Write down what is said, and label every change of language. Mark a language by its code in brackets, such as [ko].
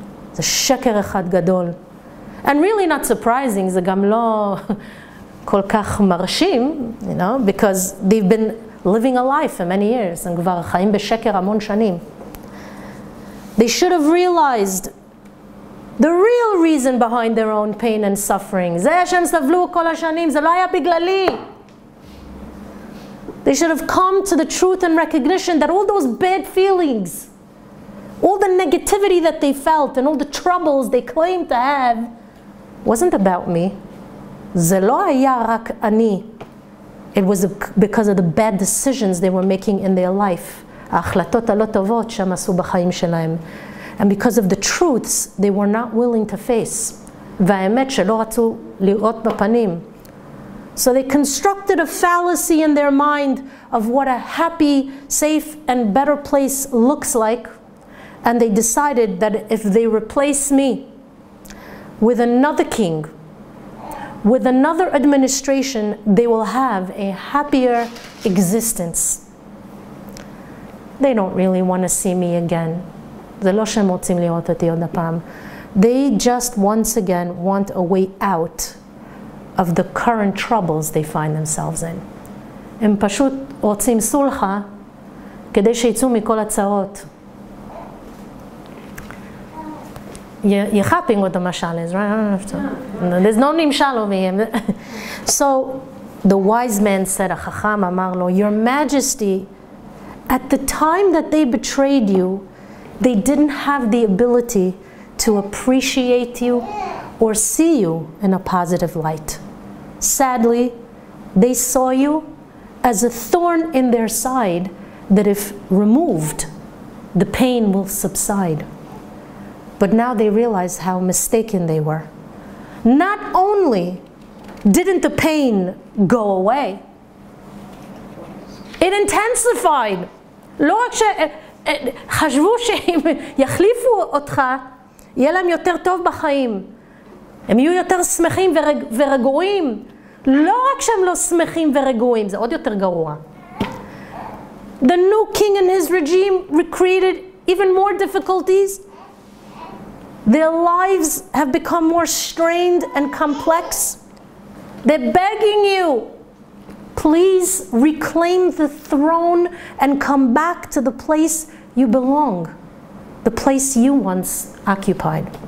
[en] It's a [he] sheker echad gadol. [en] And really not surprising, [he] זה גם לא כל כך מרשים, [en] you know, because they've been living a life for many years, and [he] כבר חיים בשקר המון שנים. [en] They should have realized the real reason behind their own pain and suffering. [he] זה שהם סבלו כל השנים, זה לא היה בגללי. [en] They should have come to the truth and recognition that all those bad feelings, all the negativity that they felt, and all the troubles they claimed to have, wasn't about me. [he] זה לא היה רק אני. [en] It was because of the bad decisions they were making in their life. [he] ההחלטות הלא טובות שהם עשו בחיים שלהם. [en] And because of the truths they were not willing to face. [he] והאמת שלא רצו לראות בפנים. [en] So they constructed a fallacy in their mind of what a happy, safe, and better place looks like. And they decided that if they replace me with another king, with another administration, they will have a happier existence. They don't really want to see me again. [he] זה לא שהם רוצים לראות אותי עוד הפעם. [en] They just once again want a way out of the current troubles they find themselves in. [he] הם פשוט רוצים סולחה כדי שיצאו מכל הצרות. [en] You're hopping with the mashalis, right? I don't have to. No, there's no nimshal over here. So the wise man said, [he] "Achacham amar lo, [en] Your Majesty, at the time that they betrayed you, they didn't have the ability to appreciate you or see you in a positive light. Sadly, they saw you as a thorn in their side that if removed, the pain will subside. But now they realize how mistaken they were. Not only didn't the pain go away, it intensified. [he] לא רק שחשבו שהם יחליפו אותך, יהיה להם יותר טוב בחיים. הם יהיו יותר שמחים ורגועים. לא רק שהם לא שמחים ורגועים, זה עוד יותר גרוע. [en] The new king and his regime recreated even more difficulties. Their lives have become more strained and complex. They're begging you, please reclaim the throne and come back to the place you belong, the place you once occupied.